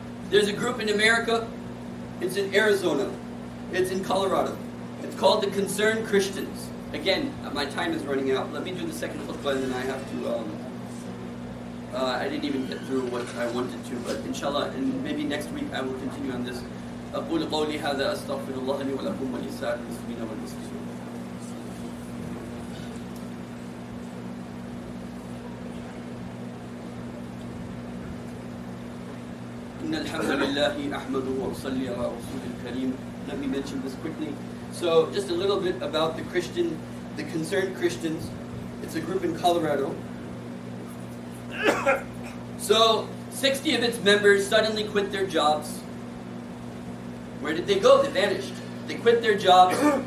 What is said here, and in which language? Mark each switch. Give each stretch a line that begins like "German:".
English: There's a group in America. It's in Arizona. It's in Colorado. It's called the Concerned Christians. Again, my time is running out. Let me do the second khutbah and then I have to... I didn't even get through what I wanted to, but inshallah, and maybe next week I will continue on this.
Arabic: أقول قولي هذا أستغفر الله لي ولكم ولسائر المسلمين والمسلمين. إن الحمد لله أحمده وأصلي على رسوله الكريم.
English: Let me mention this quickly. So, just a little bit about the Christian, the Concerned Christians. It's a group in Colorado. So, 60 of its members suddenly quit their jobs. Where did they go? They vanished. They quit their jobs.